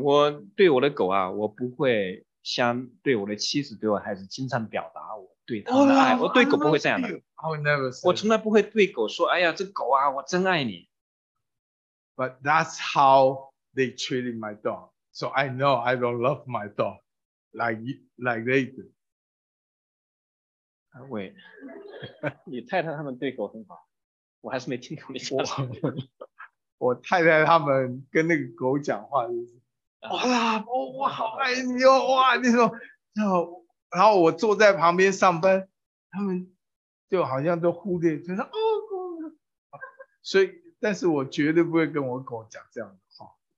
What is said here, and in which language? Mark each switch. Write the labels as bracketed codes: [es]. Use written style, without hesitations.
[zh] 我对我的狗啊，我不会像对我的妻子、对我孩子经常表达我对他的爱。 Oh, 我对狗不会这样的。 [en] I will never say. [zh] 我从来不会对狗说：“哎呀，这狗啊，我真爱你。” [en] But that's how they treated my dog. So I know I don't love my dog like they do. Wait. [zh] 你太太他们对狗很好，我还是没听懂你讲什么。我太太他们跟那个狗讲话就是，哇，我好爱你哦，哇，你说，然后我坐在旁边上班，他们就好像都忽略，就说哦，所以，但是我绝对不会跟我狗讲这样的话。